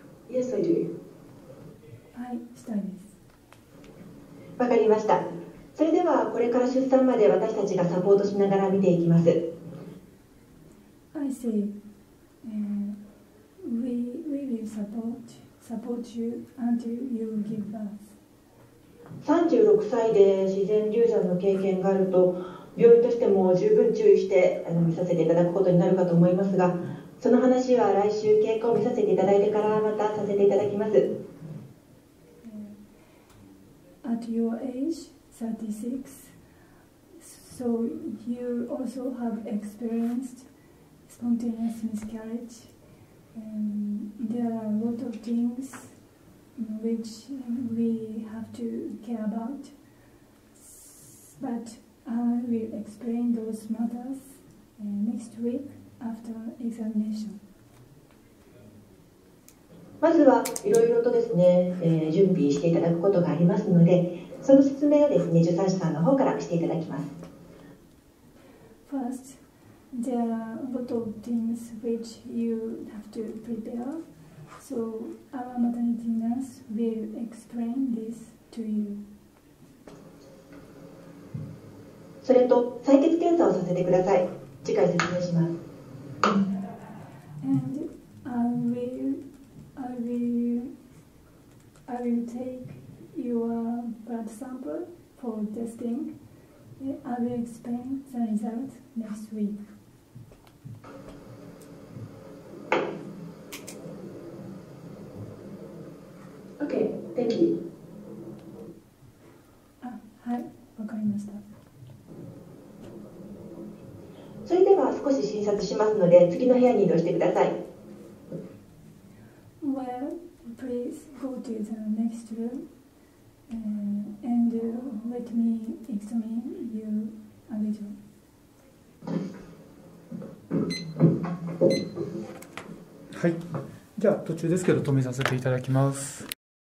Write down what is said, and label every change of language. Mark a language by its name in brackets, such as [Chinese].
[English] Yes, I do. [Japanese] はい、したいです。わかりました。それではこれから出産まで私たちがサポートしながら見ていきます。 [English] I see. We will support you until you give birth. [Japanese] 36歳で自然流産の経験があると、病院としても十分注意して見させていただくことになるかと思いますが、その話は来週経過を見させていただいてからまたさせていただきます。 [English] At your age, 36, so you also have experienced spontaneous miscarriage. There are a lot of things which we have to care about, but I will explain those matters next week. After examination. [Japanese] まずはいろいろとですね、準備していただくことがありますので、その説明をですね、助産師さんの方からしていただきます。 [English] First, there are a lot of things which you have to prepare, so our maternity nurse will explain this to you. [Japanese] それと採血検査をさせてください。次回説明します。 [English] And I will take your blood sample for testing. I will explain the result next week. Okay, thank you. [Japanese] あ、はい、わかりました。それでは少し診察しますので、次の部屋に移動してください。 [English] Well, please go to the next room, and let me examine you a little. [Japanese] はい。じゃあ途中ですけど止めさせていただきます。